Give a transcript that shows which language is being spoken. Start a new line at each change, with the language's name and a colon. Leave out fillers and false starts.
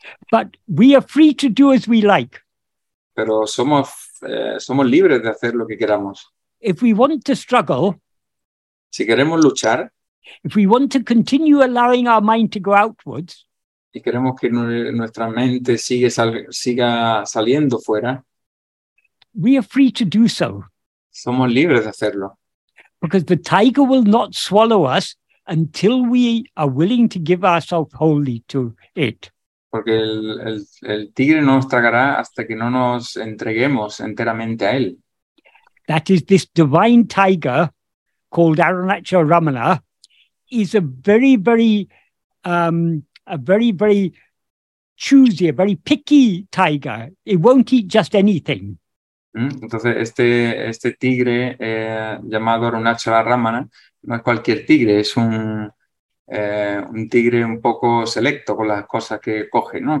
English: But we are free to do as we like.
Spanish: Pero somos libres de hacer lo que queramos.
English: If we want to struggle,
Spanish: si queremos luchar,
English: if we want to continue allowing our mind to go outwards,
Spanish: y queremos que nuestra mente siga saliendo fuera,
English: we are free to do so.
Spanish: Somos libres de hacerlo.
English: Because the tiger will not swallow us until we are willing to give ourselves wholly to it.
Spanish: Porque el tigre no nos tragará hasta que no nos entreguemos enteramente a él.
English: That is, this divine tiger called Arunacha Ramana is a very, very, very choosy, a very picky tiger. It won't eat just anything.
Spanish: Entonces, este tigre llamado Arunachala Ramana no es cualquier tigre, es un tigre un poco selecto con las cosas que coge, ¿no?